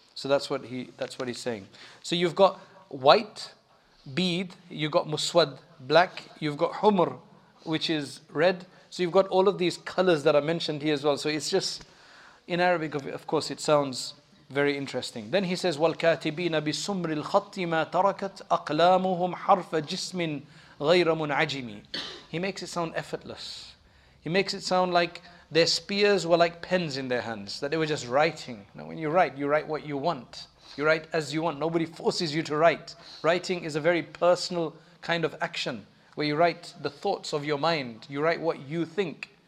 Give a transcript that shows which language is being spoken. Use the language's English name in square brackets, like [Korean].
[English] So that's what he's saying. So you've got white bead, you've got muswad black, you've got humr, which is red. So you've got all of these colors that are mentioned here as well. So it's just in Arabic, of course, it sounds very interesting. Then he says, [Arabic] وَالْكَاتِبِينَ بِسُمْرِ الْخَطِّ مَا تَرَكَتْ أَقْلَامُهُمْ حَرْفَ جِسْمٍ غَيْرَ مُنْعَجِمِ. [English] He makes it sound effortless. He makes it sound like their spears were like pens in their hands, that they were just writing. Now when you write what you want. You write as you want. Nobody forces you to write. Writing is a very personal kind of action, where you write the thoughts of your mind. You write what you think.